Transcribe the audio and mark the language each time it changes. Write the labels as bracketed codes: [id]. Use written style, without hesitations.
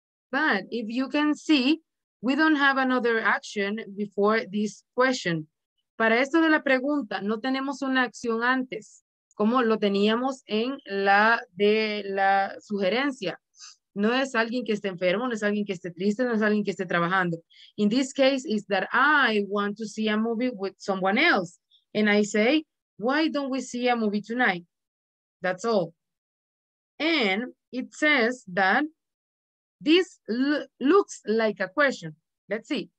[en] But if you can see, we don't have another action before this question. [es] Para esto de la pregunta, no tenemos una acción antes, como lo teníamos en la de la sugerencia. No es alguien que esté enfermo, no es alguien que esté triste, no es alguien que esté trabajando. [en] In this case, is that I want to see a movie with someone else. And I say, why don't we see a movie tonight? That's all. And it says that this looks like a question. Let's see.